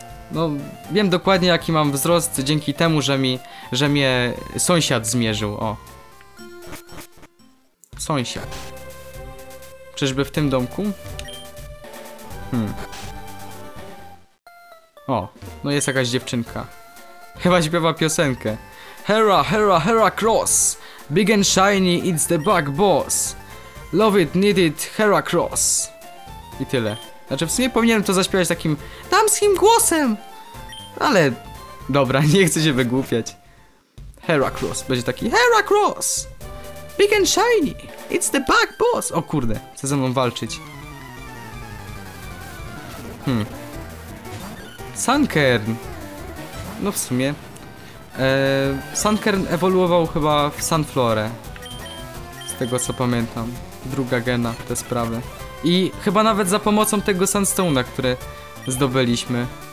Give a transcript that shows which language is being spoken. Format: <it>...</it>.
<pl>No, wiem dokładnie, jaki mam wzrost dzięki temu, że mnie sąsiad zmierzył, o. Sąsiad. Czyżby w tym domku? O, no jest jakaś dziewczynka. Chyba śpiewa piosenkę. Hera, Hera, Hera Cross.</pl> <en>Big and shiny, it's the bug boss. Love it, need it, Hera Cross.</en> <pl>I tyle. Znaczy, w sumie powinienem to zaśpiewać takim damskim głosem. Ale, dobra, nie chcę się wygłupiać. Heracross, będzie taki Heracross!</pl> <en>Big and shiny, it's the bug boss.</en> <pl>O kurde, chce ze mną walczyć. Sunkern. No w sumie Sunkern ewoluował chyba w Sunflore. Z tego co pamiętam. Druga gena, te sprawy. I chyba nawet za pomocą tego Sunstone'a, który zdobyliśmy.</pl>